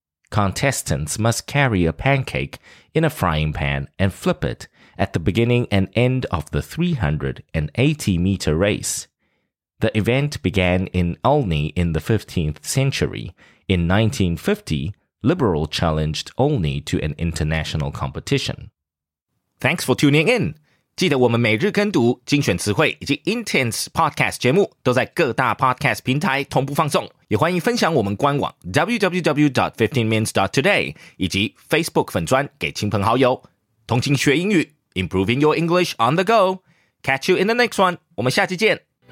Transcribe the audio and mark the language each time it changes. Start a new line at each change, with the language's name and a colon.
English: Contestants must carry a pancake in a frying pan and flip it at the beginning and end of the 380-meter race. The event began in Olney in the 15th century. In 1950, Liberal challenged Olney to an international competition. Thanks for tuning in!
Chinese: 记得我们每日跟读精选词汇以及 Intense Podcast 节目都在各大 Podcast 平台同步放送，也欢迎分享我们官网 www.15mins.today 以及 Facebook 粉专给亲朋好友。同情学英语
English: Improving your English on the go. Catch you in the next one.
Chinese: 我们下期见。